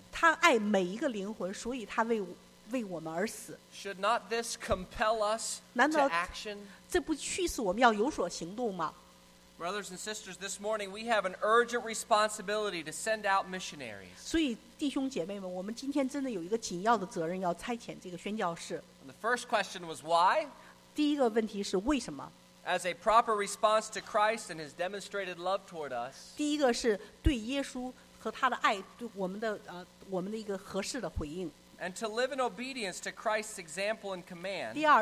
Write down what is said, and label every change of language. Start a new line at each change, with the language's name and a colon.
Chinese: 他爱每一个灵魂, 所以他为, 为我们而死。
English: Should not this compel us to action?
Chinese: 难道这不驱使我们要有所行动吗?
English: Brothers and sisters, this morning we have an urgent responsibility to send out missionaries.
Chinese: 所以弟兄姐妹们, 我们今天真的有一个紧要的责任要差遣这个宣教士。
English: And the first question was why?
Chinese: 第一个问题是为什么?
English: As a proper response to Christ and his demonstrated love toward us.
Chinese: 第一个是对耶稣和他的爱, 我们的, 我们的一个合适的回应。
English: And to live in obedience to Christ's example and command.